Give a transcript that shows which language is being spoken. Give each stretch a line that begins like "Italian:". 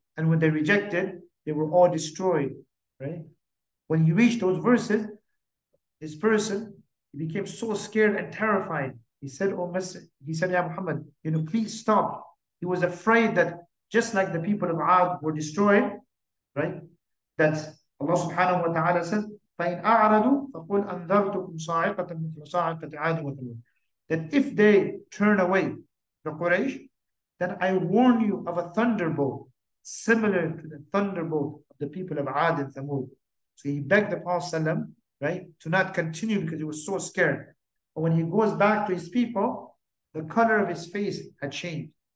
English: And when they rejected, they were all destroyed, right? When he reached those verses, this person, he became so scared and terrified. He said, oh, he said, Ya Muhammad, you know, please stop. He was afraid that just like the people of Ad were destroyed, right? That Allah subhanahu wa ta'ala says,
Arabic: فَإِنْ أَعْرَضُوا فَقُلْ أَنذَرْتُكُمْ صَاعِقَةً مِثْلُ صَاعِقَةِ عَادٍ وَثَمُودَ.
English: That if they turn away the Quraysh, then I warn you of a thunderbolt similar to the thunderbolt of the people of Ad and Thamud. So he begged the Prophet, right, to not continue because he was so scared. But when he goes back to his people, the color of his face had changed.